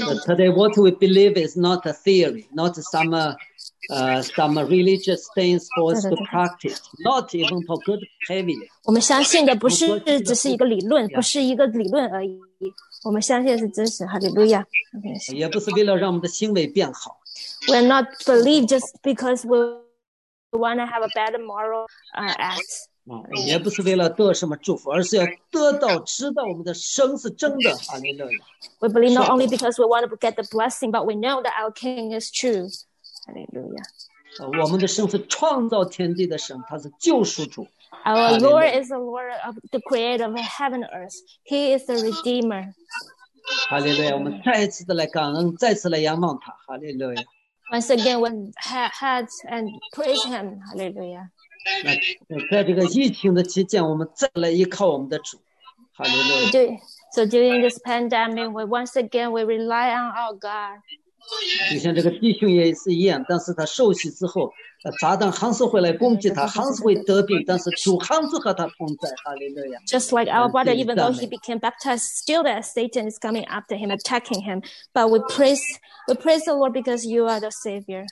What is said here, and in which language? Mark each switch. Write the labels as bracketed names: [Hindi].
[English] But today, what we believe is not a theory, not some religious things for us to practice, not even for good behavior. [Chinese] 我们相信的不是只是一个理论，不是一个理论而已。我们相信是真实。Hallelujah. 也不是为了让我们的行为变好。 [English] We're not believe just because we're. Want to have a better moral act? [Chinese] 也不是为了得什么祝福，而是要得到知道我们的生是真的。 [English] Hallelujah. We believe not only because we want to get the blessing, but we know that our King is true. Hallelujah. [Chinese] 我们的神是创造天地的神，他是救赎主。 [English] Our Lord is the Lord of the Creator of heaven and earth. He is the Redeemer. [Chinese] Hallelujah. 我们再次的来感恩，再次来仰望他。Hallelujah. [English] Once again, we had and praise him. Hallelujah. [Chinese] 在这个疫情的期间, 我们再来依靠我们的主。 [English] Hallelujah. So during this pandemic, we once again, we rely on our God. [Chinese] 就像这个弟兄也是一样, 但是他受洗之后, 撒旦还是会来攻击他, 还是会得病, 但是主还是和他同在, Hallelujah. [English] Just like our brother, even though he became baptized, still that Satan is coming after him, attacking him. But we praise the Lord because you are the Savior.